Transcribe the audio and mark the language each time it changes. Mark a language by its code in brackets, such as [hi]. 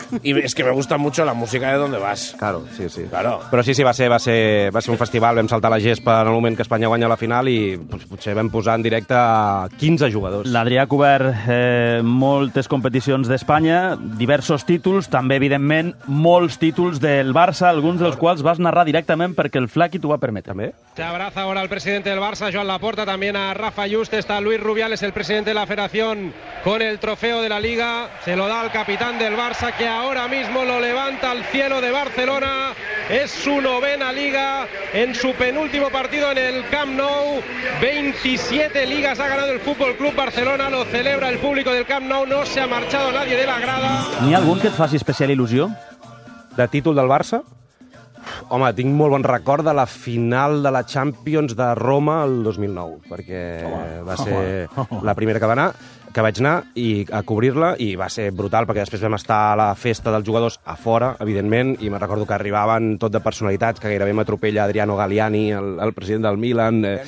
[es] Y es que me gusta mucho la música de donde vas. Claro, sí, sí. Claro. [ca] Però sí, sí, va ser un festival, vam saltar la gespa en el moment que Espanya guanya la final i potser vam posar en directe 15 jugadors. L'Adrià ha cobert moltes competicions d'Espanya, diversos títols, també, evidentment, molts títols del Barça, alguns dels quals vas narrar directament perquè el Flaqui t'ho va permetre. També. [es] Se abraza ahora el presidente del Barça, Joan Laporta, también a Rafa Yuste, está Luis Rubiales, el presidente de la federación, con el trofeo de la Liga, se lo da al capitán del Barça, que ahora mismo lo levanta al cielo de Barcelona. Es su novena liga en su penúltimo partido en el Camp Nou. 27 ligas ha ganado el Fútbol Club Barcelona. Lo celebra el público del Camp Nou. No se ha marchado nadie de la grada. [ca] ¿Ni algún que et faci especial il·lusió? De títol del Barça? Home, tinc molt bon record de la final de la Champions de Roma el 2009, perquè va ser la primera que va anar, que vaig anar i a cobrir-la, i va ser brutal, perquè després vam estar a la festa dels jugadors a fora, evidentment, i me recordo que arribaven tot de personalitats, que gairebé m'atropella Adriano Galliani, el president del Milan,